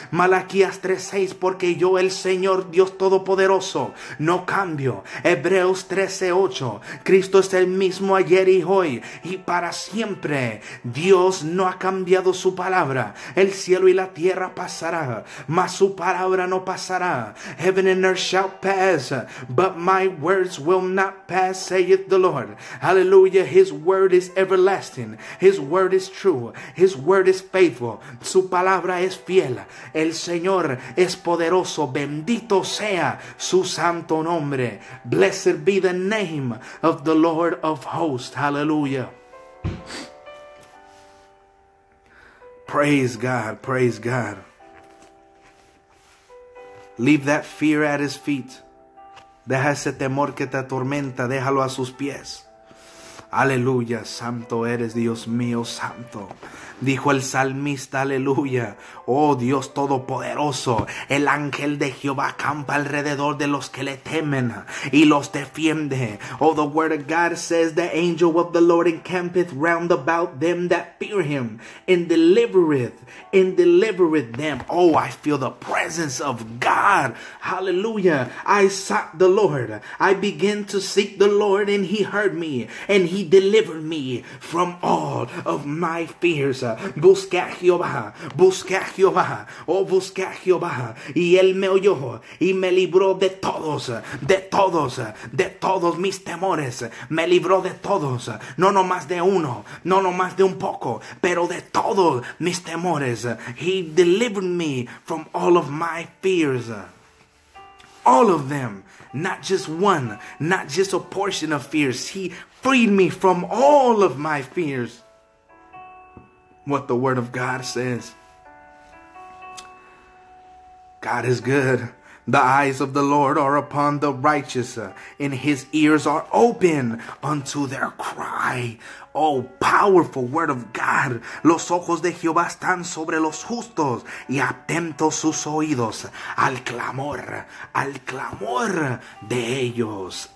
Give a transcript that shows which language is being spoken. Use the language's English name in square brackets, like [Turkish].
[Spanish] Malaquías 3:6, porque yo, el Señor Dios Todopoderoso, no cambio. Hebreos 13:8, Cristo es el mismo ayer y hoy y para siempre. Dios no ha cambiado su palabra. El cielo y la tierra pasará, mas su palabra no pasará. [English] Heaven and earth shall pass, but my words will not pass, saith the Lord. Hallelujah. His word is everlasting. His word is true. His word is faithful. [Spanish] Su palabra es fiel. El Señor es poderoso. Bendito sea su santo nombre. [English] Blessed be the name of the Lord of hosts. Hallelujah. Praise God. Praise God. Leave that fear at his feet. [Spanish] Deja ese temor que te atormenta, déjalo a sus pies. Aleluya, santo eres, Dios mío, santo. Dijo el salmista, aleluya. Oh, Dios todopoderoso, el ángel de Jehová acampa alrededor de los que le temen y los defiende. [English] Oh, the word of God says, the angel of the Lord encampeth round about them that fear him and delivereth them. Oh, I feel the presence of God. Hallelujah. I sought the Lord. I began to seek the Lord and he heard me and he delivered me from all of my fears. [Spanish] Busqué a Jehová, busqué a Jehová, oh, busqué a Jehová, y él me oyó y me libró de todos mis temores. Me libró de todos, no nomás de uno, no nomás de un poco, pero de todos mis temores. [English] He delivered me from all of my fears, all of them, not just one, not just a portion of fears. He freed me from all of my fears. What the word of God says. God is good. The eyes of the Lord are upon the righteous, and his ears are open unto their cry. Oh, powerful word of God. [Spanish] Los ojos de Jehová están sobre los justos y atentos sus oídos al clamor de ellos.